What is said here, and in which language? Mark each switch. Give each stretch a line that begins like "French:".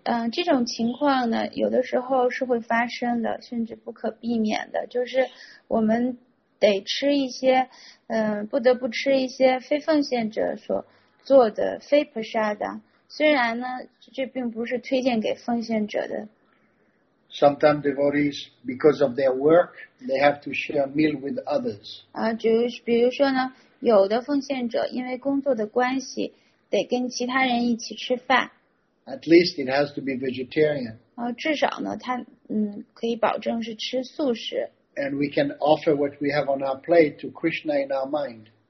Chinese: 这种情况呢, 有的时候是会发生的, 甚至不可避免的, 就是我们得吃一些, 不得不吃一些非奉献者所做的, 非Prasada, 虽然呢, 这并不是推荐给奉献者的。
English: Sometimes devotees, because of their work, they have to share a meal with others.
Chinese: 比如说呢, 有的奉献者因为工作的关系, 得跟其他人一起吃饭。
English: At least it has to be vegetarian.
Chinese: 至少呢, 它, 可以保证是吃素食。
English: And we can offer what we have on our plate to Krishna in our mind.